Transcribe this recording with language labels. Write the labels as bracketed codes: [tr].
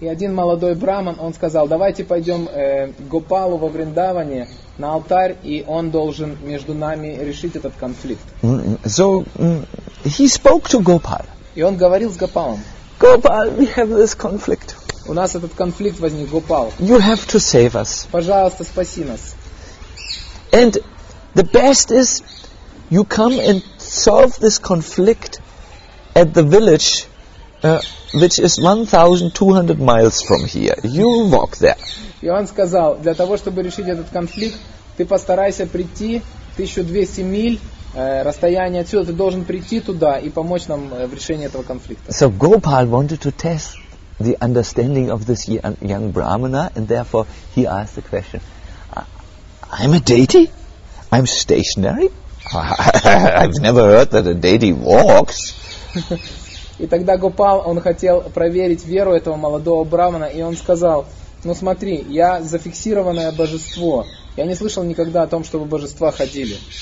[ru] И один молодой браман, он сказал, давайте пойдем Гопалу во Вриндаване на алтарь, и он должен между нами решить этот конфликт. [en] So he spoke to Gopal. [ru] И он говорил с Гопалом. [en] Gopal, we have this conflict. [ru] У нас этот конфликт возник, Гопал. [en] You have to save us. [ru] Пожалуйста, спаси нас. [en] And the best is, you come and solve this conflict at the village which is 1200 miles from here. You walk there. [ru] И он сказал, для того, чтобы решить этот конфликт, ты постарайся прийти 1200 миль расстояние отсюда, ты должен прийти туда и помочь нам в решении этого конфликта. [en] So Gopal wanted to test the understanding of this young brahmana, and therefore he asked the question, I'm a deity? I'm stationary? I've never heard that a deity walks. [ru] И тогда Гопал, он хотел проверить веру этого молодого брахмана, и он сказал, ну смотри, я зафиксированное божество. Я не слышал никогда о том, чтобы божества ходили.